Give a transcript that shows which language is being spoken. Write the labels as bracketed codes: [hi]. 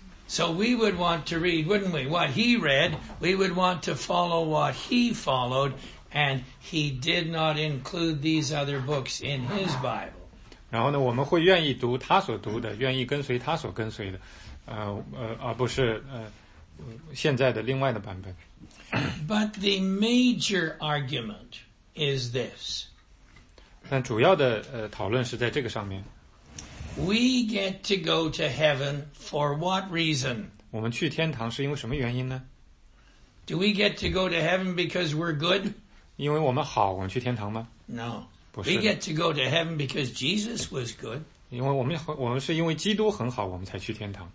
[en] So we would want to read, wouldn't we, what he read, we would want to follow what he followed, and he did not include these other books in his Bible. [zh] 然后呢，我们会愿意读他所读的，愿意跟随他所跟随的，而不是现在的另外的版本。 [en] But the major argument is this. [zh] 但主要的讨论是在这个上面。 [en] We get to go to heaven for what reason? [zh] 我们去天堂是因为什么原因呢？ [en] Do we get to go to heaven because we're good? [zh] 因为我们好，我们去天堂吗？ [en] No. [zh] 不是。 [en] We get to go to heaven because Jesus was good. [zh] 因为我们是因为基督很好，我们才去天堂。